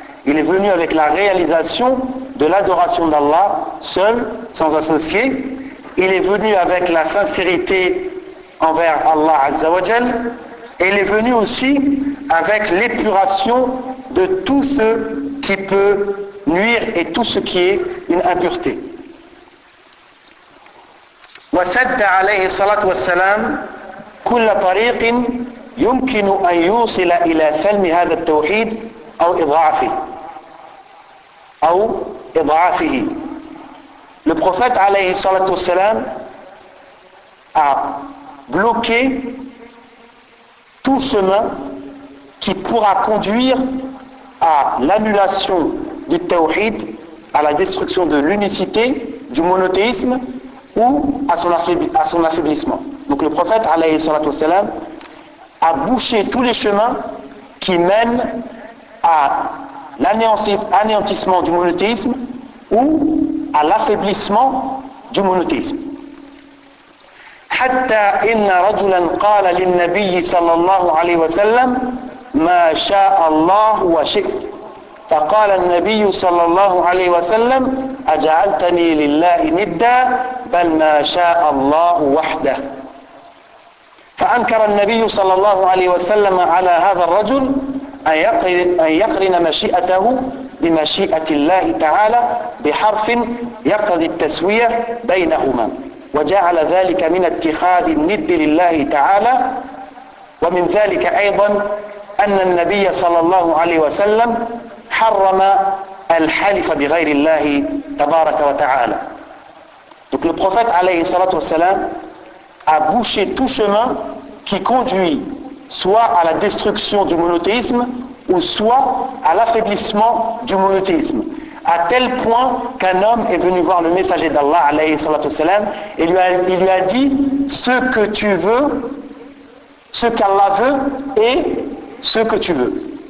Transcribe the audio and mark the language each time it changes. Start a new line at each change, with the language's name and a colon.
French: Il est venu avec la réalisation de l'adoration d'Allah, seul, sans associé. Il est venu avec la sincérité envers Allah
Arabic: azza wa jal.
French: Et il est venu aussi avec l'épuration de tout ce qui peut nuire et tout ce qui est une impureté.
Arabic: وسد عليه الصلاة والسلام كل طريق يمكن أن يوصل إلى فهم هذا التوحيد أو إضعافه أو إضعافه.
French: Le prophète
Arabic: عليه الصلاة والسلام
French: a bloqué tout chemin qui pourra conduire à l'annulation du tawhid, à la destruction de l'unicité, du monothéisme ou à son affaiblissement. Donc le prophète,
Arabic: alayhi salatu wassalam,
French: a bouché tous les chemins qui mènent à l'anéantissement du monothéisme ou à l'affaiblissement du monothéisme.
Arabic: حتى إن رجلا قال للنبي صلى الله عليه وسلم ما شاء الله وشئت فقال النبي صلى الله عليه وسلم أجعلتني لله ندا بل ما شاء الله وحده فأنكر النبي صلى الله عليه وسلم على هذا الرجل أن يقرن مشيئته بمشيئة الله تعالى بحرف يقتضي التسوية بينهما وجعل ذلك من اتخاذ الند لله تعالى ومن ذلك أيضا أن النبي صلى الله عليه وسلم حرم الحلف بغير الله تبارك وتعالى.
French: Donc le prophète عليه الصلاة والسلام a bouché tout chemin qui conduit soit à la destruction du monothéisme ou soit à l'affaiblissement du monothéisme. À tel point qu'un homme est venu voir le messager d'Allah,
Arabic: alayhi salatu wassalam,
French: et il lui a dit ce que tu veux, ce qu'Allah veut et ce que tu veux.